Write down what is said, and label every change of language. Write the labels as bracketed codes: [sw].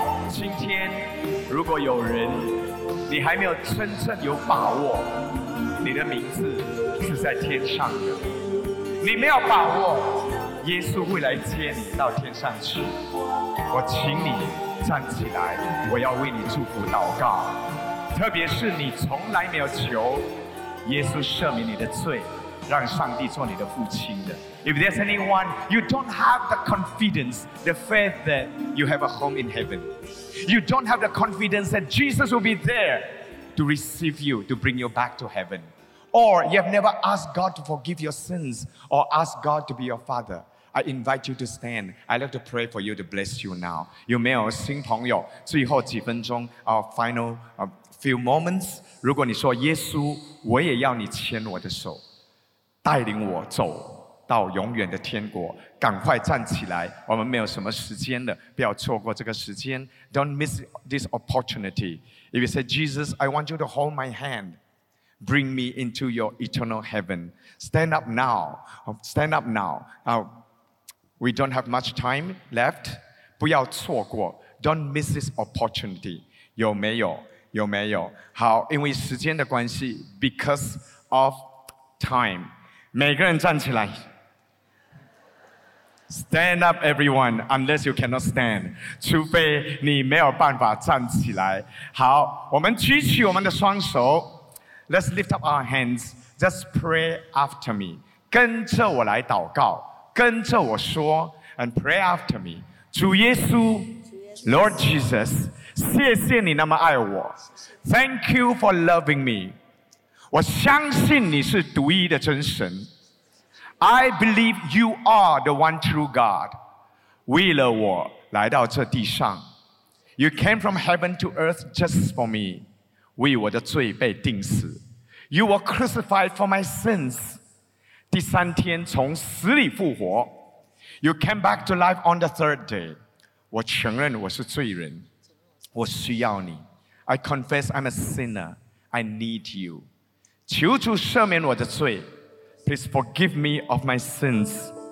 [zh] 今天，如果有人，你还没有真正有把握，你的名字是在天上的，你没有把握。耶稣会来接你到天上去，我请你站起来，我要为你祝福祷告。特别是你从来没有求耶稣赦免你的罪，让上帝做你的父亲的。 [en] If there's anyone you don't have the confidence, the faith that you have a home in heaven, you don't have the confidence that Jesus will be there to receive you, to bring you back to heaven. Or you have never asked God to forgive your sins or asked God to be your father, I invite you to stand. I'd like to pray for you to bless you now. [zh] 有没有新朋友？最后几分钟 ， [en] our final few moments. [zh] 如果你说耶稣，我也要你牵我的手，带领我走到永远的天国，赶快站起来，我们没有什么时间了，不要错过这个时间。 [en] Don't miss this opportunity. If you say, Jesus, I want you to hold my hand. Bring me into your eternal heaven. Stand up now. Stand up now. We don't have much time left. [zh] 不要错过。 [en] Don't miss this opportunity. [zh] 有没有？有没有？好，因为时间的关系 ， [en] because of time. [zh] 每个人站起来。 [en] Stand up, everyone. Unless you cannot stand. [zh] 除非你没有办法站起来。好，我们举起我们的双手。 [en] Let's lift up our hands. Just pray after me. [zh] 跟着我来祷告，跟着我说 ， [en] and pray after me. [zh] 主耶稣 ， [en] Lord Jesus， [zh] 谢谢你那么爱我。 [en] Thank you for loving me. [zh] 我相信你是独一的真神。 [en] I believe you are the one true God. [zh] 为了我来到这地上 ， [en] You came from heaven to earth just for me. [zh] 为我的罪被钉死 [en] You were crucified for my sins [zh] 第三天从死里复活 [en] You came back to life on the third day [zh] 我承认我是罪人我需要你 [en] I confess I'm a sinner I need you [zh] 求主赦免我的罪 [en] Please forgive me of my sins